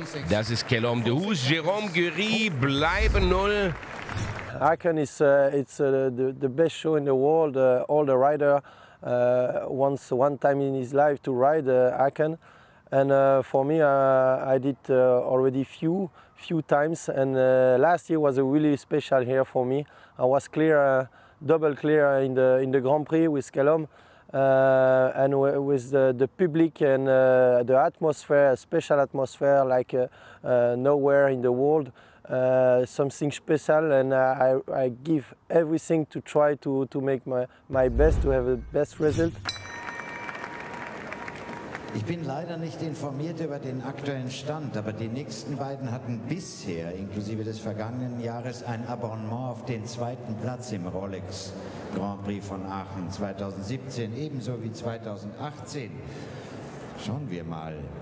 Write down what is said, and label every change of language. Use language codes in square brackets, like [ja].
[de] Das ist Guillaume de Hoos, Jérôme Gury, bleiben 0. [en] Aachen is it's the best show in the world. All the rider wants one time in his life to ride Aachen, and for me I did already few times, and last year was a really special year for me. I was clear, double clear in the Grand Prix with Guillaume, and with the public and the atmosphere, a special atmosphere like nowhere in the world. Something special, and I give everything to try to make my best, to have the best result. [de] Ich bin leider nicht informiert über den aktuellen Stand, aber die nächsten beiden hatten bisher, inklusive des vergangenen Jahres, ein Abonnement auf den zweiten Platz im Rolex Grand Prix von Aachen 2017, ebenso wie 2018. Schauen wir mal.